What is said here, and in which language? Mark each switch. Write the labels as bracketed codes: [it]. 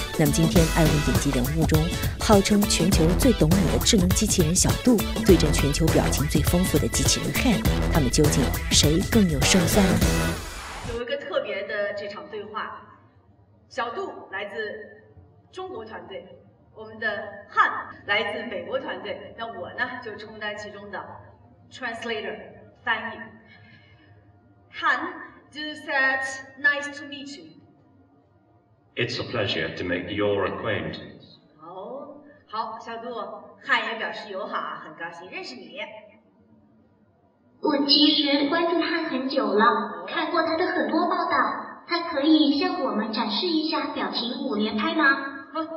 [zh] 那么今天爱问顶级人物中号称全球最懂你的智能机器人小度对阵全球表情最丰富的机器人 Han， 他们究竟谁更有胜算呢？有一个特别的这场对话，小度来自中国团队，我们的 Han 来自美国团队，那我呢就充当其中的Translator, 翻译。 [en] Han, does that nice to meet you? It's a pleasure to make your acquaintance. [zh] 好，小杜，汉也表示友好，很高兴认识你。我其实关注汉很久了，看过他的很多报道，他可以向我们展示一下表情五连拍吗？